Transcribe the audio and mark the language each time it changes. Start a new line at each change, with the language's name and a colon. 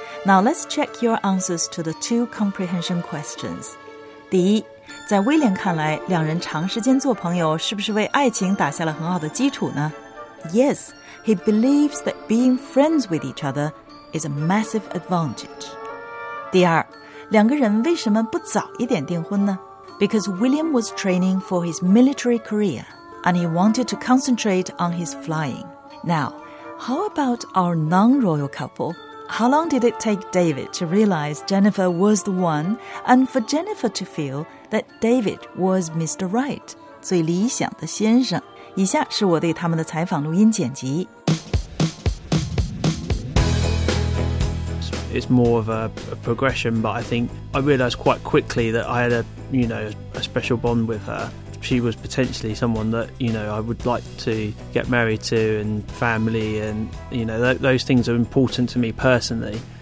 English: Now let's check your answers to the two comprehension questions.
Chinese: 第一，在威廉看来，两人长时间做朋友是不是为爱情打下了很好的基础呢？
English: Yes, he believes that being friends with each other is a massive advantage.
Chinese: 第二，两个人为什么不早一点订婚呢？
English: Because William was training for his military career and he wanted to concentrate on his flying. Now, how about our non-royal couple? How long did it take David to realize Jennifer was the one and for Jennifer to feel that David was Mr. Right?
Chinese: 最理想的先生。以下是我对他们的采访录音剪辑。
English: It's more of a progression, but I think I realized quite quickly that I had a special bond with her. She was potentially someone that, I would like to get married to and family and, those things are important to me personally.